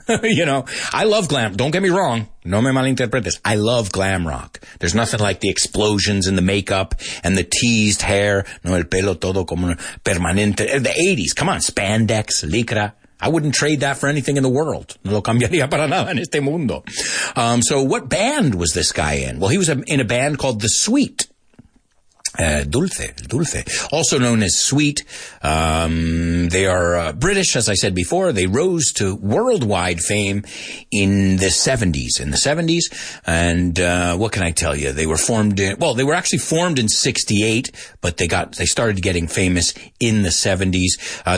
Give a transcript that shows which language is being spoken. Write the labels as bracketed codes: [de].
[en] You know, I love glam. Don't get me wrong. [es] No me malinterpretes. [en] I love glam rock. There's nothing like the explosions and the makeup and the teased hair. [es] No, el pelo todo como permanente. [en] The 80s. Come on. Spandex, [es] licra. [en] I wouldn't trade that for anything in the world. [es] No lo cambiaría para nada en este mundo. [en] So what band was this guy in? Well, he was in a band called The Sweet. Dulce, also known as Sweet. They are British, as I said before. They rose to worldwide fame in the 70s. And what can I tell you? They were actually formed in 68, but they started getting famous in the 70s.